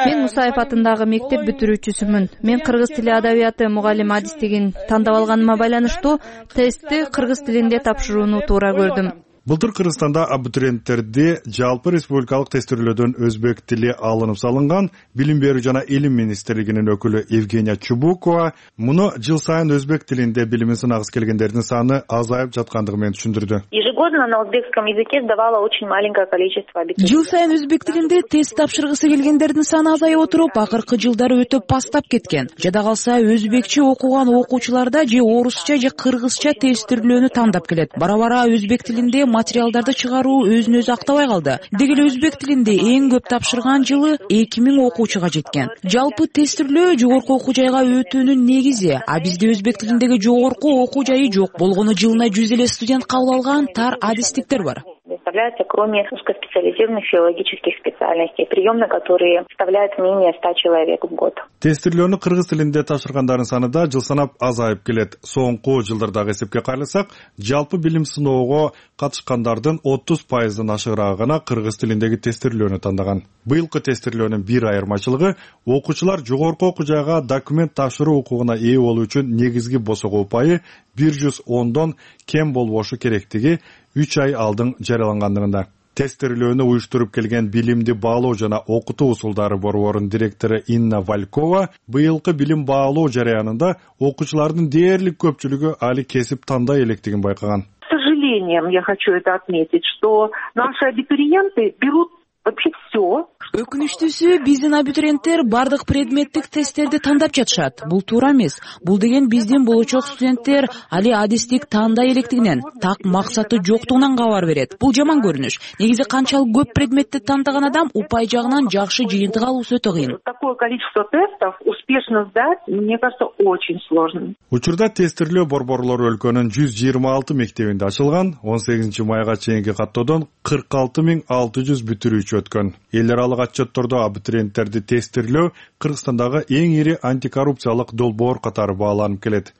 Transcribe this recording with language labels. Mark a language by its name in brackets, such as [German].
[Kyrgyz] мен Мусаев атындагы мектеп бүтүрүүчүсүмүн. Мен кыргыз тили адабияты мугалим адистигин тандап алганыма байланыштуу тестти кыргыз тилинде тапшырууну туура көрдүм. Былтыр Кыргызстанда абитуриенттерди жалпы республикалык тестирлөөдөн өзбек тили алынып салынган. Билим берүү жана илим министрлигинин өкүлү Евгения Чубукова муну жыл сайын өзбек тилинде билимин сынагысы келгендердин саны азайып жаткандыгы менен түшүндүрдү. [Russian] Ежегодно на узбекском языке сдавало очень маленькое количество абитуриентов. [Kyrgyz] Жыл сайын өзбек тилинде тест тапшыргысы келгендердин саны азайып отуруп, акыркы жылдары өтүп пастап кеткен. Жада калса, өзбекче окуган окуучуларда же орусча же кыргызча тестирлөөнү тандап келет. Барабара өзбек тилинде материалдарды чыгаруу өзүн өзү актабай калды. Деги эле өзбек тилинде эң көп тапшырган жылы 2000 окуучуга жеткен. Жалпы тестирлөө жогорку окуу жайга өтүүнүн негизи, а бизде өзбек тилиндеги жогорку окуу жайы жок. Болгону жылына 100 эле студент кабыл алган тар адистиктер бар. [Russian] Представляется, кроме узкоспециализированных филологических специальностей, прием, на которые вставляют менее 100 человек в год. [Kyrgyz] Тестирлөөнү кыргыз тилинде тапшыргандардын саны да жыл санап азайып келет. Соңку жылдардагы эсепке карасак, жалпы билим сыноого катышкандардын 30% ашыгырагы гана кыргыз тилиндеги тестирлөөнү тандаган. Быйылкы тестирлөөнүн бир айырмачылыгы окуучулар жогорку окуу жайга документ тапшыруу укугуна ээ болуу үчүн негизги босогоо упайы 110%-дон кем болбошу керектиги 3 ай алдын жарыялангандыгында. Тестирлөөнү уюштуруп келген билимди баалоо жана окутуу усулдары борборунун директору Инна Валькова быйылкы билим баалоо жарыянында окуучулардын дээрлик көпчүлүгү али кесип тандай электигин байкаган. [Russian] К сожалению, я хочу это отметить, что наши абитуриенты берут вообще все. [Kyrgyz] Өкүнүчтүүсү, биздин абитуриенттер бардык предметтик тесттерди тандап жатышат. Бул туура эмес. Бул деген биздин болочок студенттер али адистик тандай электигинен, так максаты жоктугунан кабар берет. Бул жаман көрүнүш. Негизи канчалык көп предметти тандаган адам упай жагынан жакшы жыйынтык алуусу өтө кыйын. [Russian] Такое количество тестов успешно сдать, мне кажется, очень сложно. [Kyrgyz] Учурда тестирлөө борборлору өлкөнүн 126 мектебинде ачылган, 18 майга чейинки каттоодон 46600 бүтүрүүчү өткөн. Алык отчетторду абитуриенттерди тестирлөө Кыргызстандагы эң ири антикоррупциялык долбоор катары бааланып келет.